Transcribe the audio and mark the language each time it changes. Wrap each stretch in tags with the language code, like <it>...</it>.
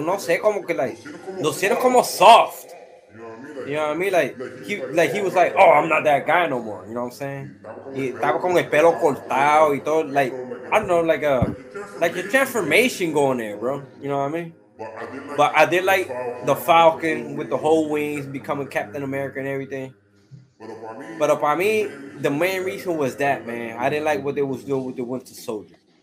<es>No sé cómo que, like, no sé cómo soft.</es> <en>You know what I mean? Like he was like, oh, I'm not that guy no more. You know what I'm saying?</en> <es>He estaba con el pelo cortado y todo.</es> <en>Like, I don't know, like a transformation going there, bro. You know what I mean? But I did like the Falcon with the whole wings becoming Captain America and everything. But for me, the main reason was that, man. I didn't like what they was doing with the Winter Soldier.</en>